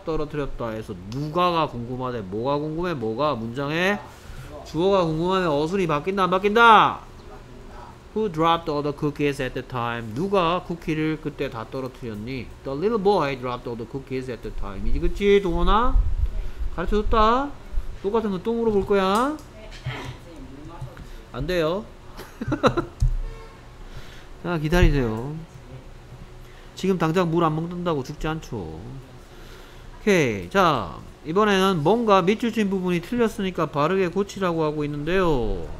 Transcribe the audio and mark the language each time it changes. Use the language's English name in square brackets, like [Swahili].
[Korean] 떨어뜨렸다 해서 누가가 궁금하대. 뭐가 궁금해? 뭐가 문장에 주어가 궁금하면 어순이 바뀐다 안 바뀐다? [English] Who dropped all the cookies at the time? [Korean] 누가 쿠키를 그때 다 떨어뜨렸니? [English] The little boy dropped all the cookies at the time. [Korean] 이제 그치 동원아? 가르쳐줬다. 똑같은 거 또 물어볼 거야. 안 돼요. 자 기다리세요. 지금 당장 물 안 먹는다고 죽지 않죠. 오케이. 자 이번에는 뭔가 밑줄 친 부분이 틀렸으니까 바르게 고치라고 하고 있는데요.